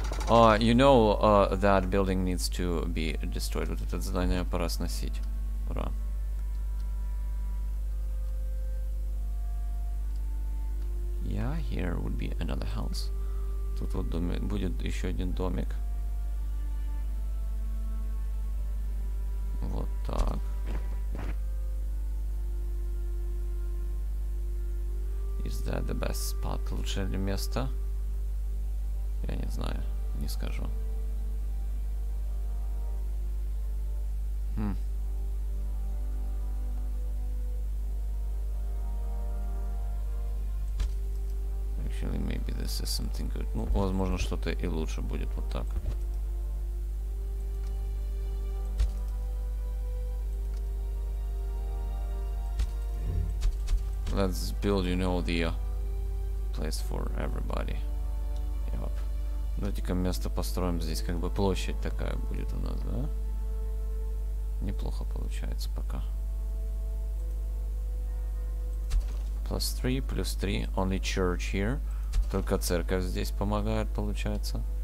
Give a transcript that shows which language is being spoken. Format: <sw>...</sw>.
<en>You know, that building needs to be destroyed.</en> <ru>Вот это здание пора сносить. Ура.</ru> <en>Yeah, here would be another house.</en> <ru>Тут вот домик, будет еще один домик. Вот так.</ru> <en>Is that the best spot?</en> <ru>Лучшее ли место? Я не знаю. Не скажу.</ru> <en>Actually, maybe this is something good.</en> <ru>Ну, возможно, что-то и лучше будет вот так.</ru> <en>Let's build, you know, the place for everybody. Yep.</en> <ru>Давайте-ка место построим здесь, как бы площадь такая будет у нас, да? Неплохо получается пока.</ru> <en>+3, +3, only church here.</en> <ru>Только церковь здесь помогает, получается.</ru>